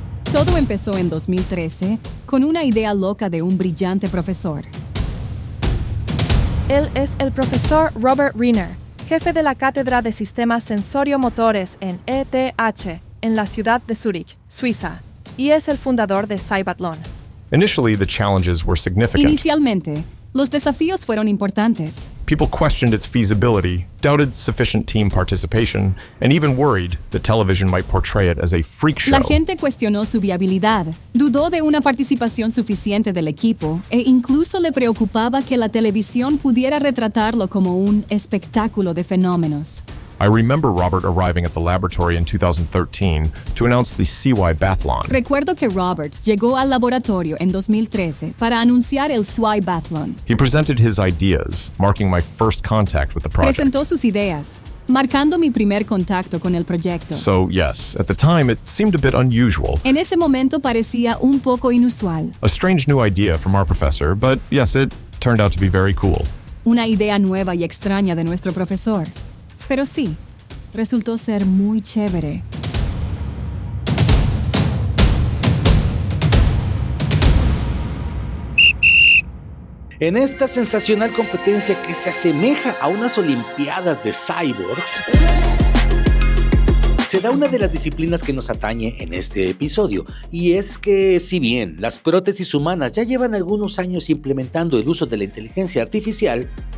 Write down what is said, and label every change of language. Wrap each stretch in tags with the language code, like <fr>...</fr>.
<es>Todo empezó en 2013 con una idea loca de un brillante profesor. Él es el profesor Robert Reiner, jefe de la Cátedra de Sistemas Sensorio-Motores en ETH, en la ciudad de Zurich, Suiza, y es el fundador de Cybathlon.</es> <en>Initially, the challenges were significant.</en> <es>Inicialmente, los desafíos fueron importantes.</es> <en>People questioned its feasibility, doubted sufficient team participation, and even worried that television might portray it as a freak show.</en> <es>La gente cuestionó su viabilidad, dudó de una participación suficiente del equipo, e incluso le preocupaba que la televisión pudiera retratarlo como un espectáculo de fenómenos.</es> <en>I remember Robert arriving at the laboratory in 2013 to announce the Cybathlon.</en> <es>Recuerdo que Robert llegó al laboratorio en 2013 para anunciar el Cybathlon.</es> <en>He presented his ideas, marking my first contact with the project.</en> <es>Presentó sus ideas, marcando mi primer contacto con el proyecto.</es> <en>So, yes, at the time it seemed a bit unusual.</en> <es>En ese momento parecía un poco inusual.</es> <en>A strange new idea from our professor, but yes, it turned out to be very cool.</en> <es>Una idea nueva y extraña de nuestro profesor. Pero sí, resultó ser muy chévere. En esta sensacional competencia que se asemeja a unas olimpiadas de cyborgs, se da una de las disciplinas que nos atañe en este episodio, y es que si bien las prótesis humanas ya llevan algunos años implementando el uso de la inteligencia artificial,</es>